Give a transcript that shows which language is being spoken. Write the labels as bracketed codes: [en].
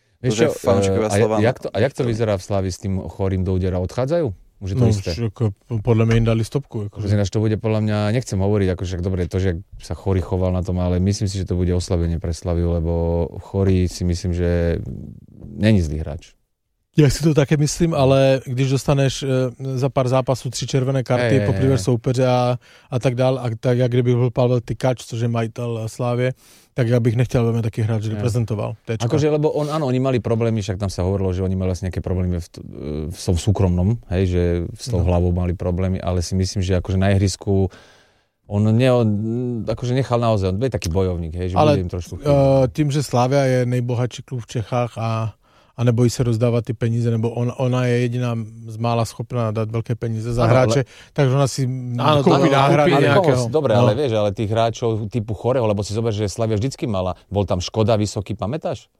[sk] Ešte, a jak to vyzerá v Slavii s tým chorým do údera? Odchádzajú? Už je to isté? Podľa mňa im dali stopku. Akože. Ináč to bude podľa mňa, nechcem hovoriť, akože dobre je to, že sa chorý choval na tom, ale myslím si, že to bude oslabenie pre Slaviu, lebo chorý si myslím, že není zlý hráč. Ja si to také myslím, [cs] ale když dostaneš za pár zápasů tři červené karty, poprýváš soupeře a tak dál, a tak jak kdyby byl Pavel Tykač, což je majitel Slávie, tak já bych nechtěl, aby mě taky hráč reprezentoval. [sk] Akože, lebo on, ano, oni mali problémy, však [cs] tam se hovorilo, [sk] že oni mali vlastně nějaké problémy v súkromnom, hej, že s tou hlavou mali problémy, ale si myslím, že akože na ihrisku on akože nechal naozaj, on je taký bojovník, hej, že ale, [cs] bude jim trošku chybět. Tím, že Slávia je nejbohatší klub v Čechách a nebojí se rozdávat ty peníze, nebo ona je jediná z mála schopná dát velké peníze za hráče, takže ona si koupí náhrady nějakého. [sk] Dobré, ale vieš, ale tých hráčov typu Choreho, lebo si zober, že Slavia vždycky mala, bol tam Škoda vysoký, pamätáš?